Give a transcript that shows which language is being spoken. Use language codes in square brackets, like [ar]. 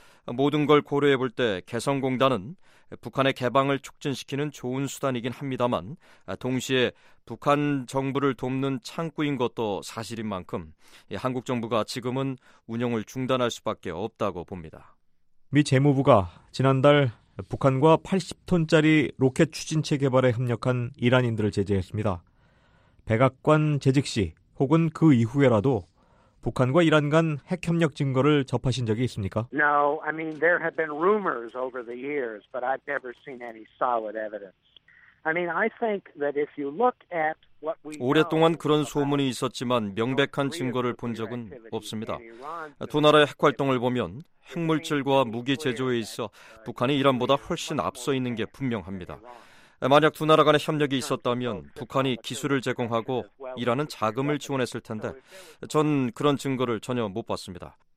[ko] 모든 걸 고려해 볼 때 개성공단은 북한의 개방을 촉진시키는 좋은 수단이긴 합니다만 동시에 북한 정부를 돕는 창구인 것도 사실인 만큼 한국 정부가 지금은 운영을 중단할 수밖에 없다고 봅니다. 미 재무부가 지난달 북한과 80톤짜리 로켓 추진체 개발에 협력한 이란인들을 제재했습니다. 백악관 재직 시 혹은 그 이후에라도 북한과 이란 간 핵협력 증거를 접하신 적이 있습니까? [en] No, I mean there have been rumors over the years, but I've never seen any solid evidence. I mean, I think that if you look at [ko] 오랫동안 그런 소문이 있었지만 명백한 증거를 본 적은 없습니다. 두 나라의 핵활동을 보면 핵물질과 무기 제조에 있어 북한이 이란보다 훨씬 앞서 있는 게 분명합니다. 만약 두 나라 간의 협력이 있었다면 북한이 기술을 제공하고 이란은 자금을 지원했을 텐데 전 그런 증거를 전혀 못 봤습니다.